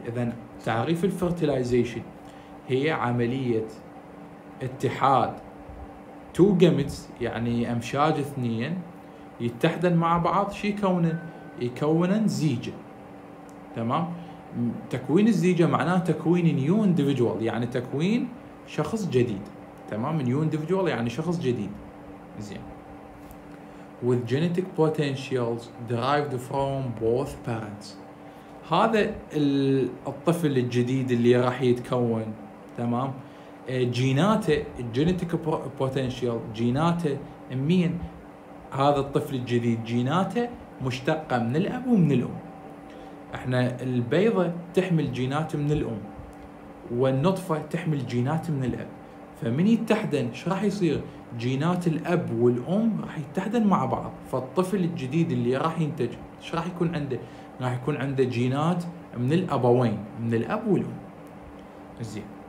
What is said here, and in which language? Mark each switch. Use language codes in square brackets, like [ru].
[ar] إذن تعريف fertilization هي عملية اتحاد [en] two gametes [ar] يعني أمشاج اثنين يتحدن مع بعض شي يكونن زيجة. تمام؟ تكوين الزيجة معناه تكوين [en] new individual [ar] يعني تكوين شخص جديد. تمام؟ [en] new individual [ar] يعني شخص جديد. زين. [en] With genetic potentials derived from both parents. [ar] هذا الطفل الجديد اللي راح يتكون. تمام؟ جيناته [en] genetic potential [ar] جيناته مين؟ هذا الطفل الجديد جيناته مشتقة من الأب ومن الأم. احنا البيضة تحمل جينات من الأم والنطفة تحمل جينات من الأب، فمن يتحدن ايش راح يصير؟ جينات الأب والأم راح يتحدن مع بعض، فالطفل الجديد اللي راح ينتج ايش راح يكون عنده؟ راح يكون عنده جينات من الأبوين، من الأب والأم. زين.